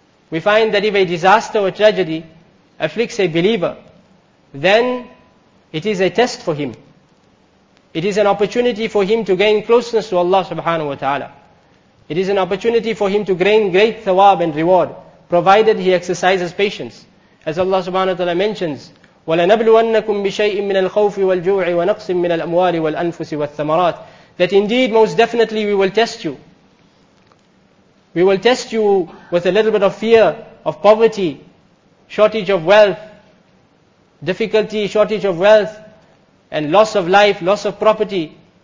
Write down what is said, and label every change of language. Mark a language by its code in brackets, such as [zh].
[en] We find that if a disaster or tragedy afflicts a believer, then it is a test for him. It is an opportunity for him to gain closeness to Allah subhanahu wa ta'ala. It is an opportunity for him to gain great thawab and reward, provided he exercises patience. As Allah subhanahu wa ta'ala mentions, [ar] وَلَنَبْلُوَنَّكُمْ بِشَيْءٍ مِّنَ الْخَوْفِ وَالْجُوعِ وَنَقْصٍ مِّنَ الْأَمْوَالِ وَالْأَنفُسِ وَالثَّمَرَاتِ. [en] That indeed, most definitely, we will test you. We will test you with a little bit of fear, of poverty, shortage of wealth, difficulty, shortage of wealth, and loss of life, loss of property.